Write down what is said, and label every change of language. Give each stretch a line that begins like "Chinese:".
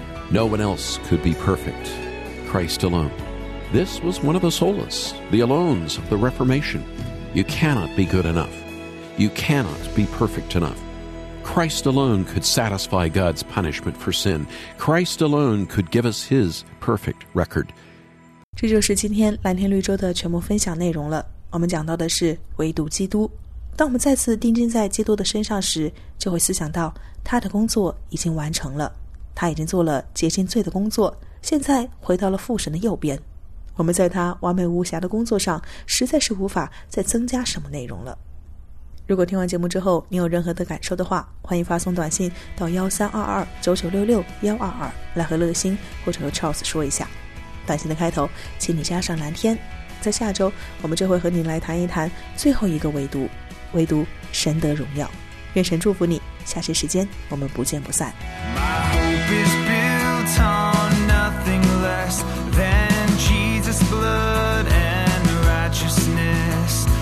English: No one else could be perfect. Christ alone. This was one of the solas, the alones of the Reformation. You cannot be good enough. You cannot be perfect enough. Christ alone could satisfy God's punishment for sin. Christ alone could give us His perfect record.
Chinese: 这就是今天蓝天绿洲的全部分享内容了。我们讲到的是唯独基督。当我们再次定睛在基督的身上时，就会思想到他的工作已经完成了，他已经做了洁净罪的工作，现在回到了父神的右边。我们在他完美无瑕的工作上实在是无法再增加什么内容了。如果听完节目之后你有任何的感受的话，欢迎发送短信到13229966122来和乐心或者和 Charles 说一下。短信的开头请你加上蓝天。在下周我们就会和你来谈一谈最后一个唯独，唯独神得荣耀。愿神祝福你，下期时间我们不见不散。
English: My hope is built on nothing less than Jesus' blood and righteousness.